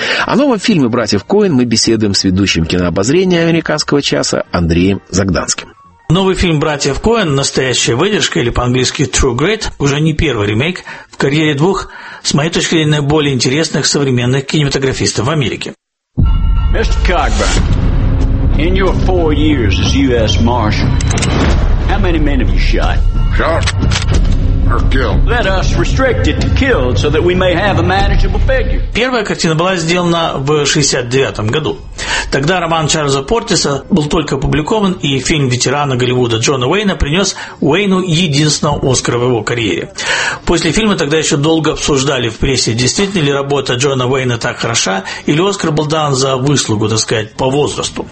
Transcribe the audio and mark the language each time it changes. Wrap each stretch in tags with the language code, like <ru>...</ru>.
<ru>О новом фильме «Братьев Коэн» мы беседуем с ведущим кинообозрения «Американского часа» Андреем Загданским. Новый фильм «Братьев Коэн», «Настоящая выдержка» или по-английски «True Grit», уже не первый ремейк в карьере двух, с моей точки зрения, наиболее интересных современных кинематографистов в Америке. Мистер Кокберн,</ru> <en>in your 4 years as U.S. Marshal, how many men have you shot? Shot or killed? Let us restrict it to killed so that we may have a manageable figure.</en> <ru>Первая картина была сделана в 69-м году. Тогда роман Чарльза Портиса был только опубликован, и фильм ветерана Голливуда Джона Уэйна принес Уэйну единственного Оскара в его карьере. После фильма тогда еще долго обсуждали в прессе, действительно ли работа Джона Уэйна так хороша, или Оскар был дан за выслугу, так сказать, по возрасту.</ru>